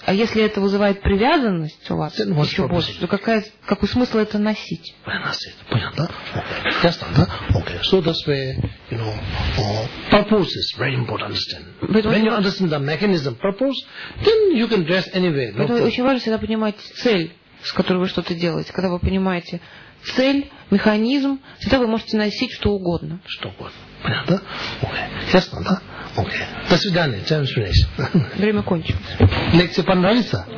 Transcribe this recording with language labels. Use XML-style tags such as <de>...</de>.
<ru>А если это вызывает привязанность у вас еще больше, то какой смысл это носить? Понятно, да? Okay. Ясно, да? Okay.</ru> <en>So that's where, you know, purpose is very important to understand.</en> <ru>Поэтому</ru> <en>when you understand the mechanism purpose, then you can dress anywhere.</en> <ru>Поэтому очень важно всегда понимать цель, с которой вы что-то делаете. Когда вы понимаете цель, механизм, всегда вы можете носить что угодно. Что угодно. Понятно? Окей. Ясно, да? Окей. До свидания. Чем спринесь? Время кончилось. Лекция понравится?</ru>